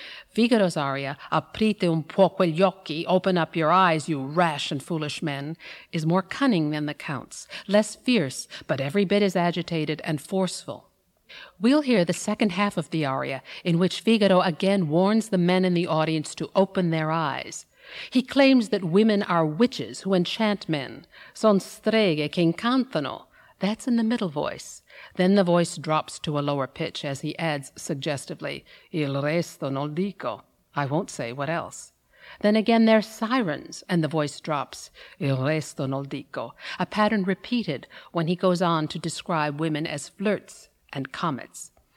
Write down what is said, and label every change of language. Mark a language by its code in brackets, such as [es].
[en] Figaro's aria, [it] "Aprite un po' quegli occhi," [en] open up your eyes, you rash and foolish men, is more cunning than the Count's, less fierce, but every bit as agitated and forceful. We'll hear the second half of the aria, in which Figaro again warns the men in the audience to open their eyes. He claims that women are witches who enchant men. [it] Son streghe che incantano. [en] That's in the middle voice. Then the voice drops to a lower pitch as he adds suggestively, [it] "Il resto non dico," [en] I won't say what else. Then again they're sirens, and the voice drops, [it] "Il resto non dico," [en] a pattern repeated when he goes on to describe women as flirts and comets.